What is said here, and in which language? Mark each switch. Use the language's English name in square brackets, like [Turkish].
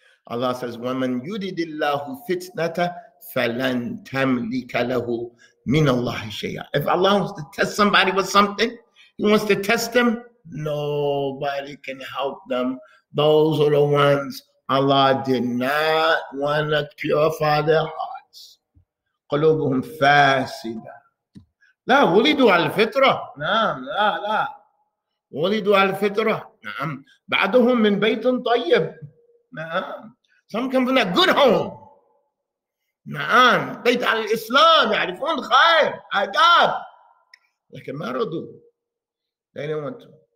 [English] Allah says, [Arabic] وَمَنْ يُرِدِ اللَّهُ فِتْنَةَ فَلَنْ تَمْلِكَ لَهُ مِنَ اللَّهِ شَيْعَ [English] If Allah wants to test somebody with something, He wants to test them, nobody can help them. Those are the ones Allah did not want to purify their hearts. [Arabic] قُلُوبُهُمْ فَاسِدًا لا, ولدوا على الفطرة. نعم, لا. ولدوا على الفطرة. نعم. بعدهم من بيت طيب. نعم. [English] Some come from that good home. [Arabic] نعم. بيت على الإسلام. يعرفون خير. عذاب. لكن ما ردوا. [English] They didn't want to.